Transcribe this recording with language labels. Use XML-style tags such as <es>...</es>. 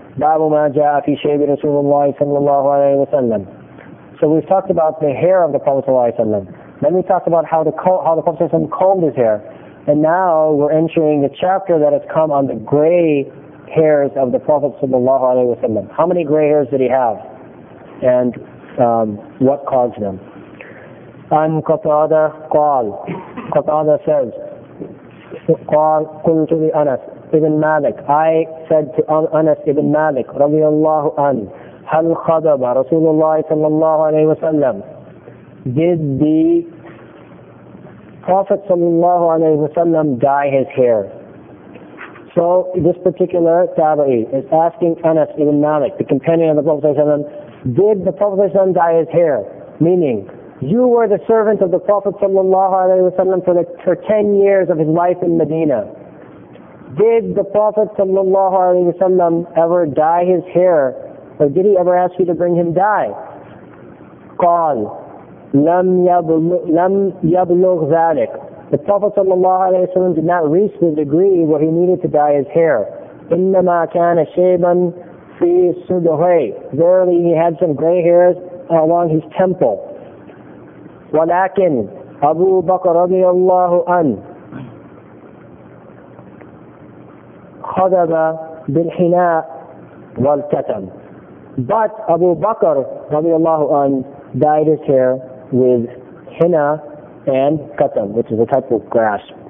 <ar>باب ما جاء في شيب رسول الله صلى الله عليه وسلم.</ar> <en>So we've talked about the hair of the Prophet صلى الله عليه وسلم. Then we talked about how the Prophet صلى الله عليه وسلم combed his hair. And now we're entering the chapter that has come on the gray hairs of the Prophet صلى الله عليه وسلم. How many gray hairs did he have? And what caused them?</en> <ar>عن قتادة قال. قتادة</ar> <en>says,</en> <ar>قال قلت لأنس ابن مالك.</ar> <en>I said to Anas ibn Malik,</en> <ar>رضي الله عنه, هل خضب رسول الله صلى الله عليه وسلم.</ar> <en>Did the Prophet صلى الله عليه وسلم dye his hair? So this particular tabi'i is asking Anas ibn Malik, the companion of the Prophet صلى الله عليه وسلم, did the Prophet صلى الله عليه وسلم dye his hair? Meaning, you were the servant of the Prophet صلى الله عليه وسلم for 10 years of his life in Medina. Did the Prophet sallallahu alaihi wasallam ever dye his hair, or did he ever ask you to bring him dye?</en> <ar>قال لم يبلغ ذلك.</ar> <en>The Prophet sallallahu alaihi wasallam did not reach the degree where he needed to dye his hair.</en> <ar>إنما كان شيبا في صدره.</ar> <en>Verily, he had some gray hairs along his temple.</en> <ar>ولكن أبو بكر رضي الله عنه خضب بالحناء والكتم.</ar> <en>But Abu Bakr رضي الله عنه dyed his hair with henna and katam, which is a type of grass.</en>